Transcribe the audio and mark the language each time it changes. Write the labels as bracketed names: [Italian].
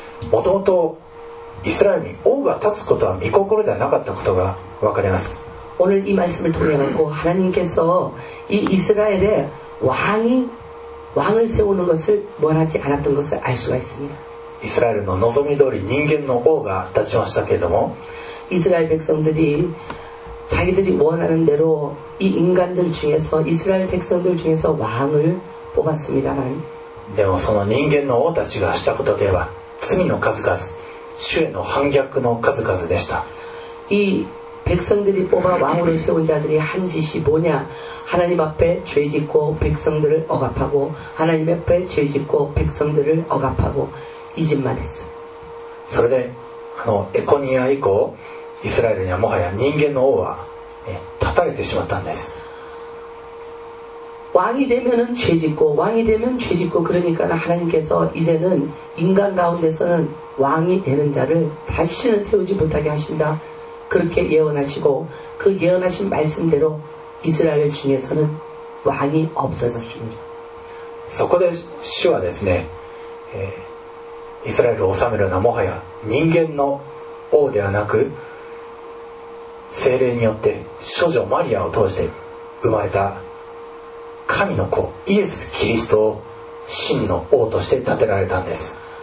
[Japanese] もともとイスラエルに王が立つことは御心ではなかったことが分かります。 [Korean] 오늘이말씀을통해서하나님께서이이스라엘의왕이왕을세우는것을원하지않았던것을알수가있습니다。 [Japanese] 이스라엘의望み通り人間の王が立ちましたけれども、 [Korean] 이스라엘백성들이자기들이원하는대로이인간들중에서이스라엘백성들중에서왕을뽑았습니다만 [Japanese] でもその人間の王たちがしたことでは罪の数々、主への反逆の数々でした。 [Korean] 이백성들이뽑아왕으로세운자들이한짓이뭐냐？ 하나님앞에죄짓고백성들을억압하고，하나님앞에죄짓고백성들을억압하고이짓만했어。 [Japanese] それで、エコニア以降、イスラエルにはもはや人間の王は立たれてしまったんです。 [Korean] 왕이되면은죄짓고，왕이되면죄짓고，그러니까하나님께서이제는인간가운데서는왕이되는자를다시는세우지못하게하신다。 그렇게예언하시고그예언하신말씀대로이스라엘중에서는왕이없어졌습니다。 [Japanese] そこで主はですね、이스라엘을治めるのはもはや人間の王ではなく、聖霊によって処女マリアを通して生まれた神の子イエス・キリストを真の王として立てられたんです。